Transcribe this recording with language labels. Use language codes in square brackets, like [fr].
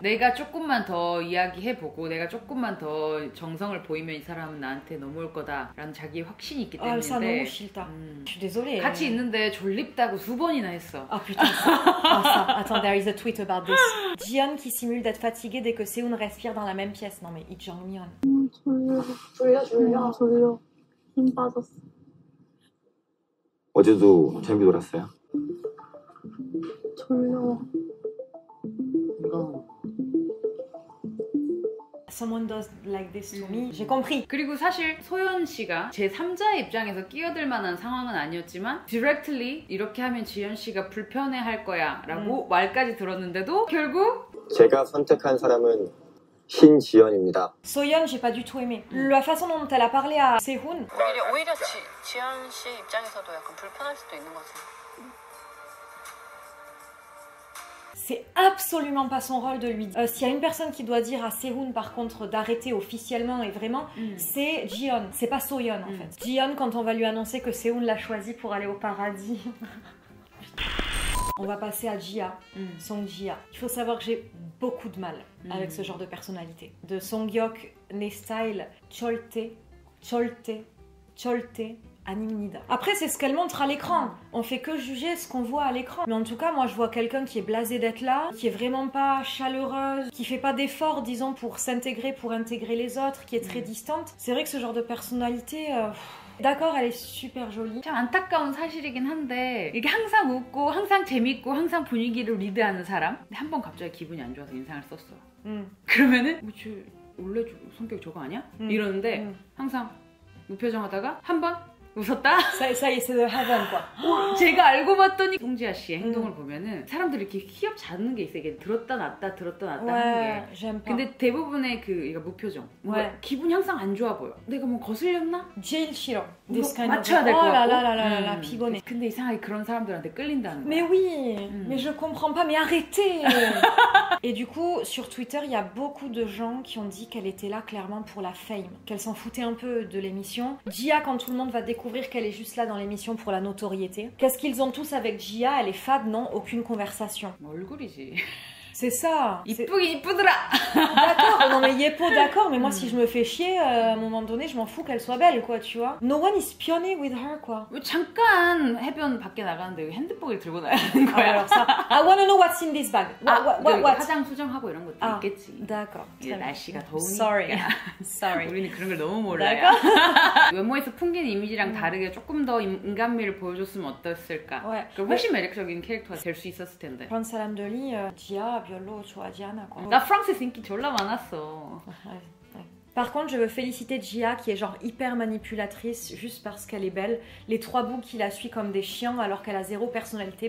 [ko] 내가 조금만 더 이야기해보고, 내가 조금만 더 정성을 보이면 이 사람은 나한테 넘어올 거다라는 자기의 확신이 있기 때문에. 아, 진짜 너무 싫다. [fr] Je suis désolée. [ko] 같이 있는데 졸립다고 두 번이나 했어. 아, 그렇지. [fr] Attends, [en] there is a tweet about this. [fr] Jihyun qui simule d'être fatigué dès que Seun respire dans la même pièce. Non mais il Jihyun. [ko] 졸려, 졸려, 졸려. 힘 빠졌어. 어제도 재밌게 놀았어요? 졸려. [en] Someone does like this to me. [fr] J'ai compris. [ko] 그리고 사실 소연 씨가 제 3자의 입장에서 끼어들 만한 상황은 아니었지만 [en] directly [ko] 이렇게 하면 지연 씨가 불편해 할 거야라고 말까지 들었는데도 결국 제가 선택한 사람은 신지연입니다. [fr] Soyeon, j'ai pas du tout aimé. La façon dont elle a parlé à Sehun. [ko] 오히려 지연 씨 입장에서도 약간 불편할 수도 있는 것 같아요. [fr] C'est absolument pas son rôle de lui dire. S'il y a une personne qui doit dire à Sehun par contre d'arrêter officiellement et vraiment, c'est Jihyun. C'est pas Soyeon en fait. Jihyun, quand on va lui annoncer que Sehun l'a choisi pour aller au paradis. On va passer à Jia, Songjia. Il faut savoir que j'ai beaucoup de mal avec ce genre de personnalité. De Songhyuk, Nestyle, Cholte, Cholte, Cholte, Animnida. Après, c'est ce qu'elle montre à l'écran. On fait que juger ce qu'on voit à l'écran. Mais en tout cas, moi, je vois quelqu'un qui est blasé d'être là, qui est vraiment pas chaleureuse, qui fait pas d'efforts, disons, pour s'intégrer, pour intégrer les autres, qui est très distante. C'est vrai que ce genre de personnalité... D'accord, elle est super jolie. [ko] 참 안타까운 사실이긴 한데 이게 항상 웃고 항상 재밌고 항상 분위기를 리드하는 사람 한번 갑자기 기분이 안 좋아서 인상을 썼어. 그러면은 뭐지 원래 성격 저거 아니야? 이러는데 항상 무표정하다가 한번 웃었다. 사이에서 하던 거. 제가 알고 봤더니 송지아 씨의 행동을 보면은 사람들이 이렇게 희엽 잡는 게 있어요. 이게 들었다 놨다 들었다 놨다 하는 게. 근데 대부분의 그 이거 무표정. 뭔가 기분이 항상 안 좋아 보여. 내가 뭐 거슬렸나? 제일 싫어. 맞춰야 될 것 같고. 라라라라라 피곤해. 근데 이상하게 그런 사람들한테 끌린다는 거. [fr] Mais oui. Mais je comprends pas. Mais arrêtez. Et du coup, sur Twitter, il y a beaucoup de gens qui ont dit qu'elle était là clairement pour la fame, qu'elle s'en foutait un peu de l'émission. Jia, quand tout le monde va découvrir qu'elle est juste là dans l'émission pour la notoriété. Qu'est-ce qu'ils ont tous avec Jia? Elle est fade, non? Aucune conversation. C'est ça. D'accord, non mais Yepo, d'accord, mais moi si je me fais chier, à un moment donné, je m'en fous qu'elle soit belle, quoi, tu vois. [en] No one is pionné with her, quoi. [ko] 잠깐, 해변 밖에 나가는데 핸드폰을 들고 나가는 거야. [fr] Alors ça, [en] I wanna know what's in this bag. What? [ko] 화장 수정하고 이런 것도 있겠지. 다커. 이제 날씨가 더우니까. [en] Sorry. [ko] 우리는 그런 걸 너무 몰라요. 외모에서 풍긴 이미지랑 다르게 조금 더 인간미를 보여줬으면 어땠을까? 그럼 훨씬 매력적인 캐릭터가 될 수 있었을 텐데. 그런 사람들이 지하 별로 좋아하지 않아 나 그럼... 프랑스 인기 졸라 많았어. [fr] Par contre, je veux féliciter Jia qui est genre hyper manipulatrice juste parce qu'elle est belle. Les trois bouts qui la suivent comme des chiens alors qu'elle a zéro personnalité.